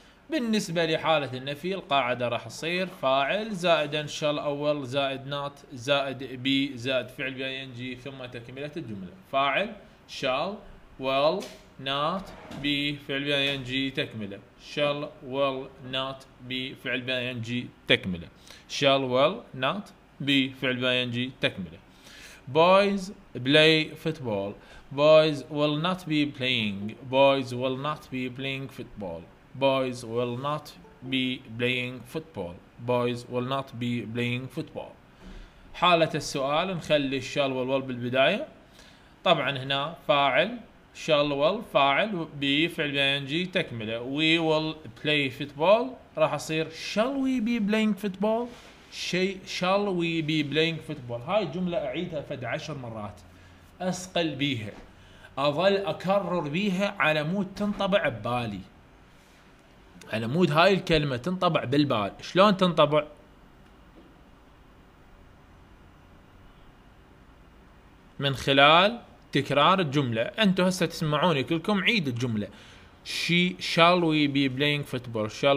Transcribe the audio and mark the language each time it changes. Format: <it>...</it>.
<ar>بالنسبة لحالة النفي القاعدة راح تصير فاعل زائد ان شاء الله اول زائد not زائد بي زائد فعل بي ان جي ثم تكملة الجملة، فاعل شال ويل نات بي فعل بي ان جي تكملة، شال ويل نات بي فعل بي ان جي تكملة، شال ويل نات بي فعل بي ان جي تكملة.</ar> <en>Boys play football. Boys will not be playing. Boys will not be playing football. Boys will not be playing football. Boys will not be playing football.</en> <ar>حالة السؤال نخلي الشال والول بالبداية. طبعا هنا فاعل شال وول فاعل بي فعل بي ان جي تكملة.</ar> <en>We will play football.</en> <ar>راح أصير</ar> <en>shall we be playing football? Shall we be playing football?</en> <ar>هاي جملة أعيدها فد 10 مرات. أسقل بيها. أظل أكرر بيها على مود تنطبع ببالي. على مود هاي الكلمة تنطبع بالبال، شلون تنطبع؟ من خلال تكرار الجملة، أنتوا هسا تسمعوني كلكم عيد الجملة.</ar> <en>Shall we be playing football?</en>